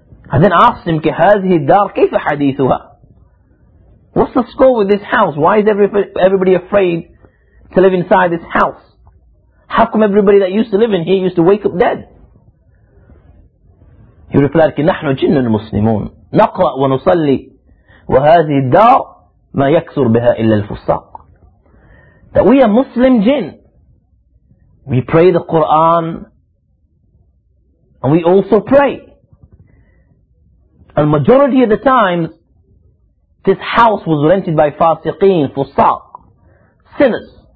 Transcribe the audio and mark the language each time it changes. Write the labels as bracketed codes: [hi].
[en] I then asked him, [ar] كَهَذِهِ الدَّارِ كَيْفَ حَدِيثُهَا? [en] What's the score with this house? Why is everybody afraid to live inside this house? How come everybody that used to live in here used to wake up dead? He replied, [ar] نحن جن المسلمون نقرأ ونصلي وهذه الدار ما يكثر بها إلا الفساق. [en] That we are Muslim jinn. We pray the Quran and we also pray. And majority of the times, this house was rented by fasiqeen, fusaq, sinners.